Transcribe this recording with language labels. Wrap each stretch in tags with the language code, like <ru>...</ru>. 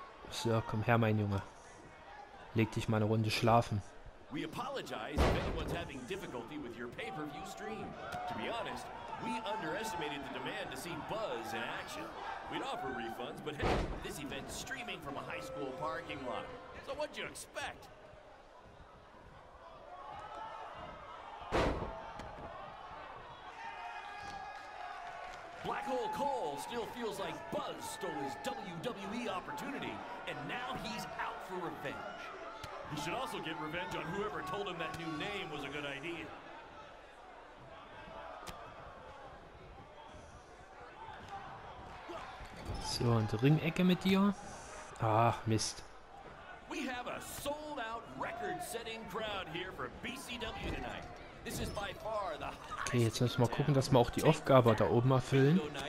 <de>So, komm her, mein Junge. Leg dich mal eine Runde schlafen.</de> <en>We apologize if anyone's having difficulty with your pay-per-view stream. To be honest, we underestimated the demand to see Buzz in action. We'd offer refunds, but hey, this event's streaming from a high school parking lot. So what'd you expect? Black Hole Cole still feels like Buzz stole his WWE opportunity, and now he's out for revenge. He should also get revenge on whoever told him that new name was a good idea.</en> <de>So, und Ringecke mit dir. Ach, Mist.</de> <en>We have a sold-out record-setting crowd here for BCW tonight. This is by far the highest.</en> <de>Okay, jetzt müssen wir mal gucken, dass wir auch die Aufgabe da oben erfüllen.</de>